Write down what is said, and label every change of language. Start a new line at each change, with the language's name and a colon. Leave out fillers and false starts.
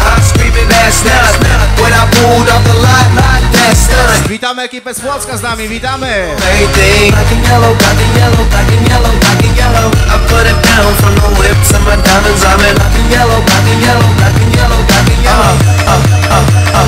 English: Screaming that's nothing. When I pulled off the lot, that's nothing.
Polish: Witamy ekipę z Płocka z nami, witamy.
English: Black and yellow, black and yellow, black and yellow, black and yellow. I put it down from the whips and my diamonds, I'm in. Black and yellow, black and yellow, black and yellow, black and yellow.